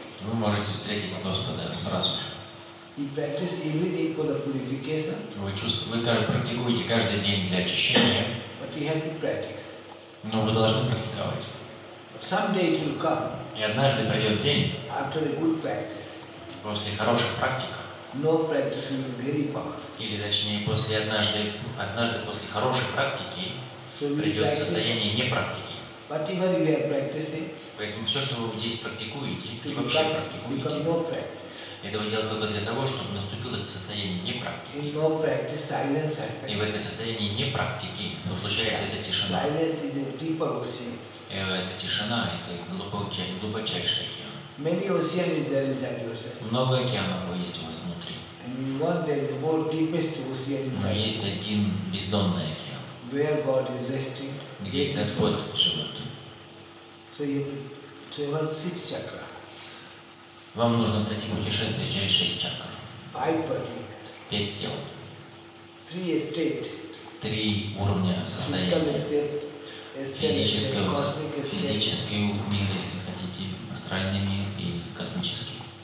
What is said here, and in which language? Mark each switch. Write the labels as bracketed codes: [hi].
[ru] Вы можете встретить Господа сразу же. [en] You practice every day for the purification. [ru] Вы практикуете каждый день для очищения. [en] But you have to practice. [ru] Но вы должны практиковать. [en] Someday it will come. [ru] И однажды придет день. [en] After a good practice. [ru] После хороших практик. [en] No practice will be very powerful. [ru] Или точнее, после однажды после хорошей практики придет [en] practice, [ru] состояние непрактики. [en] Whatever you are practicing. [ru] Поэтому все, что вы здесь практикуете, и вообще практикуете, [en] no practice. [ru] Это вы делаете только для того, чтобы наступило это состояние непрактики. [en] No practice, silence happens. [ru] И в это состояние непрактики получается эта тишина. [en] Silence is a deeper ocean. [ru] Это тишина, это глубочайший океан. [en] Many oceans is there inside yourself. [ru] Много океанов есть у вас внутри. [en] And in one there is the more deepest ocean inside. [ru] Но есть один бездонный океан. [en] Where God is resting. [ru] Где Господь живет. [en] So you have to travel six chakra. [ru] Вам нужно пройти путешествие через шесть чакр. [en] Five body. [ru] Пять тел. [en] Three state. [ru] Три уровня состояния. [en] Physical state, [ru] физического, физический мир, если хотите, астрал. астральными и космическими.